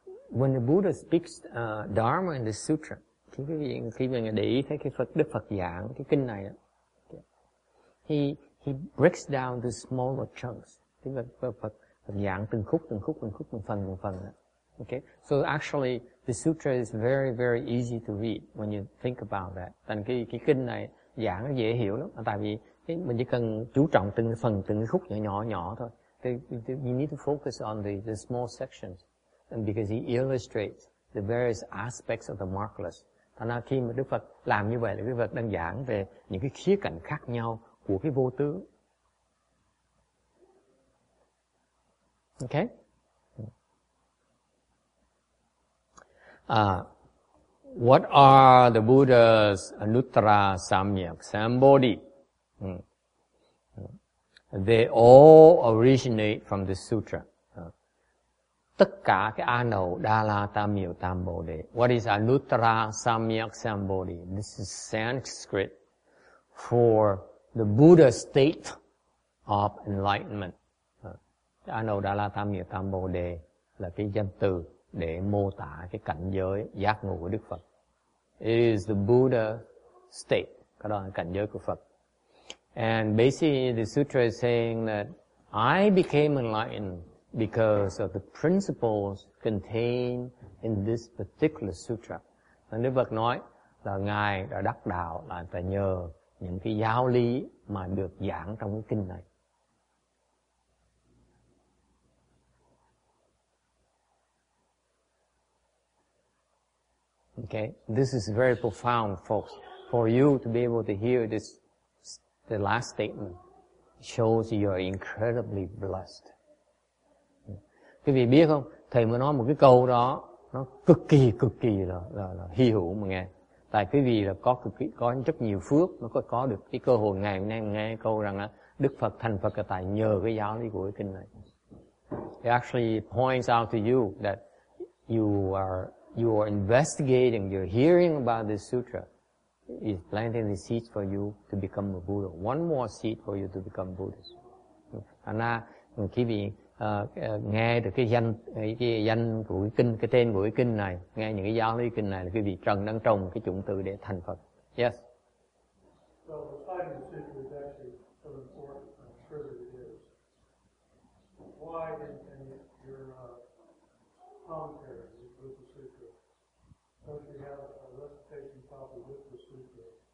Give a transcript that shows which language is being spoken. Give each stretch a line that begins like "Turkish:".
English: When the Buddha speaks Dharma in the Sutra,
Vietnamese: khi mà để ý thấy cái Phật, Đức Phật giảng cái kinh này, đó,
English: he breaks down the smaller chunks.
Vietnamese: Phật giảng từng khúc, từng phần. Đó.
English: Okay, so actually the Sutra is very very easy to read when you think about that.
Vietnamese: Thành cái kinh này giảng nó dễ hiểu lắm. Tại vì mình chỉ cần chú trọng từng phần, từng khúc nhỏ thôi.
English: You need to focus on the small sections. And because he illustrates the various aspects of the markless.
Vietnamese: Thành ra khi mà Đức Phật làm như vậy là Đức Phật đang giảng về những cái khía cạnh khác nhau của cái vô tướng.
English: Okay? What are the Buddha's Anuttara Samyak Sambodhi? They all originate from this sutra.
Vietnamese: Tất cả cái A Nậu Đa La Tam Miệu Tam Bồ Đề.
English: What is Anuttara Samyak Sambodhi? This is Sanskrit for the Buddha state of enlightenment.
Vietnamese: A Nậu Đa La Tam Miệu Tam Bồ Đề là cái danh từ để mô tả cái cảnh giới giác ngộ của Đức Phật.
English: It is the Buddha state.
Vietnamese: Cái đó là cảnh giới của Phật.
English: And basically the sutra is saying that I became enlightened because of the principles contained in this particular sutra.
Vietnamese: Nên Đức Phật nói là Ngài đã đắc đạo là phải nhờ những cái giáo lý mà được giảng trong cái kinh này.
English: Okay, this is very profound, folks. For you to be able to hear this, the last statement shows you are incredibly blessed.
Vietnamese: Quý vị biết không, thầy mới nói một cái câu đó nó cực kỳ là hy hữu mà nghe. Tại quý vị là có rất nhiều phước nó có được cái cơ hội ngày hôm nay nghe câu rằng là Đức Phật thành Phật là tại nhờ cái giáo lý của cái kinh này.
English: It actually points out to you that you are investigating, you're hearing about this sutra is planting the seeds for you to become a Buddha. One more seed for you to become Buddhist.
Vietnamese: Anna, quý vị nghe được cái danh của cái kinh, cái tên của cái kinh này, nghe những cái giáo lý kinh này là quý vị trần đang trồng cái chủng tử để thành Phật.
English: Yes. So the title of the sutra is actually so important, I'm sure that it is. Why and your commentary, the Buddha sutra, don't you have a recitation copy with the sutra?